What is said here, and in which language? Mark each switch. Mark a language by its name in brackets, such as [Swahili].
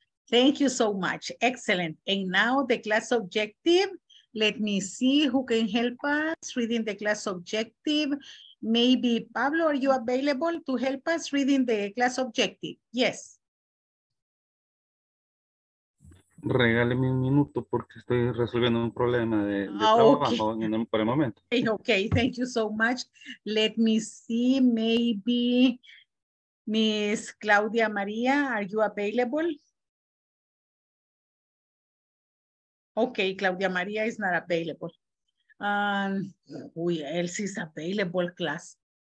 [English] Thank you so much. Excellent. And now the class objective. Let me see who can help us reading the class objective. Maybe Pablo, are you available to help us reading the class objective? Yes. [Spanish] Regáleme un minuto porque estoy resolviendo un problema de por el momento. [English] Okay, thank you so much. Let me see, maybe Miss Claudia Maria, are you available? Okay, Claudia Maria is not available. Else is available class.